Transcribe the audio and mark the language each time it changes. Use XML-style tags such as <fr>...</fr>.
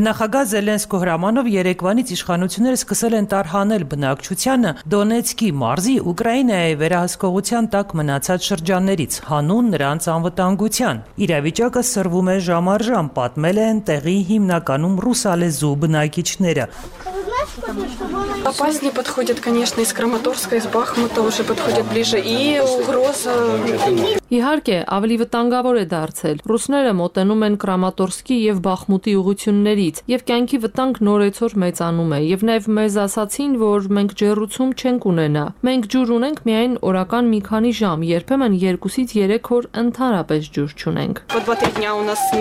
<hy>Նախագահ Զելենսկո հրամանով Երևանից իշխանությունները սկսել են տարհանել բնակչությանը Դոնեցկի մարզի Ուկրաինայի վերահսկողության տակ մնացած շրջաններից, հանուն նրանց անվտանգության։ Իրավիճակը սրվում է ժամ առ ժամ, պատմել են տեղի հիմնականում ռուսալեզու բնակիչները։</hy> <ru>Опаснее подходят, конечно, из Краматорска, из Бахмута уже подходят ближе, и угроза.</ru> <hy>Իհարկե, ավելի վտանգավոր է դարձել։ Ռուսները մոտենում են Կրամատորսկի և Բախմուտի ուղություններից, և կյանքի վտանգ նորեցոր մեծանում է, և նաև մեզ ասացին, որ մենք ջերուցում չենք ունենա։ Մենք ջուր ունենք միայն օրական մի քանի ժամ, երբեմն 2-ից 3 օր ընդհանրապես ջուր չունենք։</hy>